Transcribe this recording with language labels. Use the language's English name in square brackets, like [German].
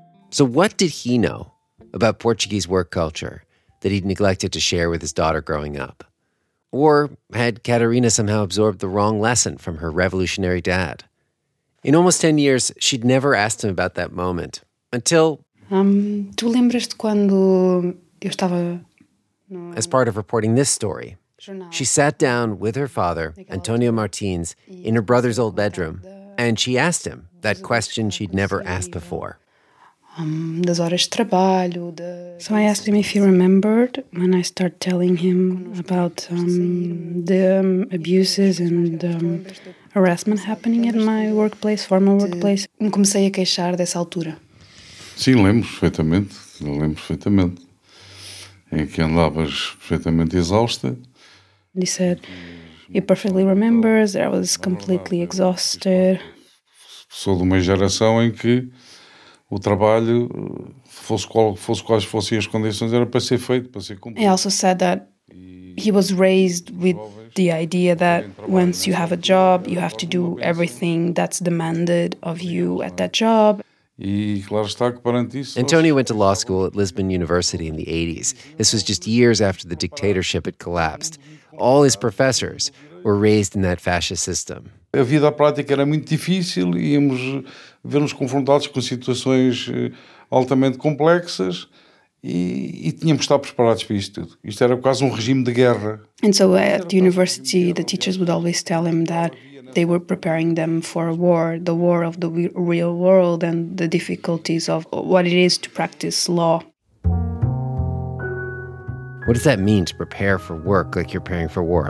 [English] So what did he know about Portuguese work culture that he'd neglected to share with his daughter growing up? Or had Katerina somehow absorbed the wrong lesson from her revolutionary dad? In almost 10 years, she'd never asked him about that moment, until... [Portuguese] Tu lembras-te quando eu estava... [English] As part of reporting this story, she sat down with her father, Antonio Martins, in her brother's old bedroom, and she asked him that question she'd never asked before. [Portuguese] Das horas de trabalho, de... [English] So I asked him if he remembered when I started telling him about the abuses and harassment happening at my workplace, former workplace. [Portuguese] Me comecei a queixar dessa altura. Sim, lembro perfeitamente. Em que andavas perfeitamente exausta. [English] He said, he perfectly remembers that I was completely exhausted. [Portuguese] Sou de uma geração em que o trabalho, fosse quais fossem as condições, era para ser feito, para ser cumprido. [English] He also said that he was raised with the idea that once you have a job, you have to do everything that's demanded of you at that job. [Portuguese] E claro está que perante isso... [English] Antonio went to law school at Lisbon University in the 80s. This was just years after the dictatorship had collapsed. All his professors were raised in that fascist system. [Portuguese] A vida prática era muito difícil, íamos ver-nos confrontados com situações altamente complexas e tínhamos de estar preparados para isto tudo. Isto era quase regime de guerra. [English] And so at the university, the teachers would always tell him that they were preparing them for a war, the war of the real world and the difficulties of what it is to practice law. What does that mean, to prepare for work like you're preparing for war?